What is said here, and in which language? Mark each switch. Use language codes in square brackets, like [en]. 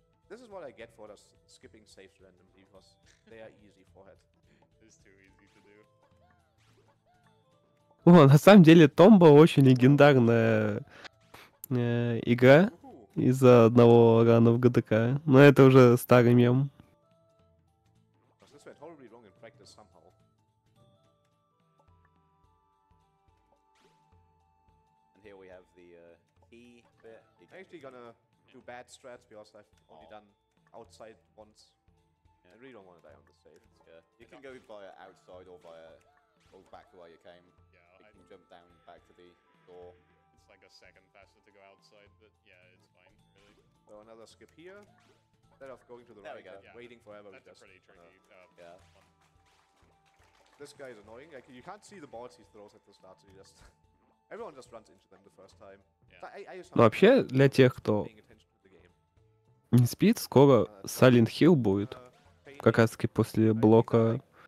[en] This is what I get for just skipping saves randomly, because they are easy for it. It's too easy to do. [ru] О, на самом деле, Tomba очень легендарная игра из-за одного рана в ГДК. Но это уже старый мем. [en] This went horribly wrong in practice somehow. And here we have the E bit. I'm actually gonna do bad strats, because I've only done outside once. Yeah. I really don't want to die on the save. You can go via outside or via or back where you came. Yeah, you can jump down back to the door. It's like a second faster to go outside, but yeah, it's fine, really. So another skip here. Instead of going to the there right, we go. Yeah, waiting forever. That's a pretty tricky yeah. This guy is annoying. Like, you can't see the balls he throws at the start, so you just... Everyone just runs into them the first time. [ru] Ну вообще, для тех, кто не спит, скоро Silent Hill будет. Как раз таки после блока